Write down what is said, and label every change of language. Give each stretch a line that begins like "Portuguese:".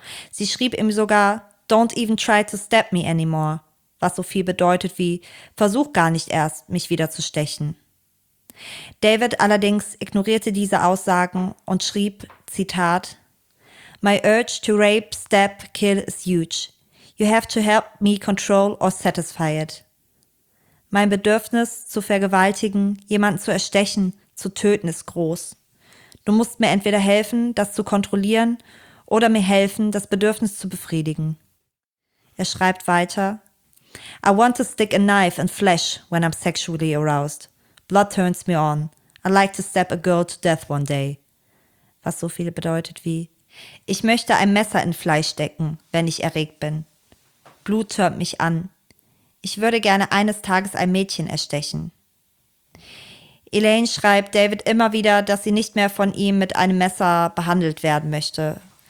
German: Sie schrieb ihm sogar,
English: don't even try to stab me anymore,
German: was so viel bedeutet wie, versuch gar nicht erst, mich wieder zu stechen. David allerdings ignorierte diese Aussagen und schrieb, Zitat,
English: my urge to rape, stab, kill is huge. You have to help me control or satisfy it.
German: Mein Bedürfnis zu vergewaltigen, jemanden zu erstechen, zu töten ist groß. Du musst mir entweder helfen, das zu kontrollieren oder mir helfen, das Bedürfnis zu befriedigen. Er schreibt weiter,
English: I want to stick a knife in flesh when I'm sexually aroused. Blood turns me on. I'd like to stab a girl to death one day.
German: Was so viel bedeutet wie, ich möchte ein Messer in Fleisch stecken, wenn ich erregt bin. Blut tönt mich an. Ich würde gerne eines Tages ein Mädchen erstechen. Elaine schreibt David immer wieder, dass sie nicht mehr von ihm mit einem Messer behandelt werden möchte.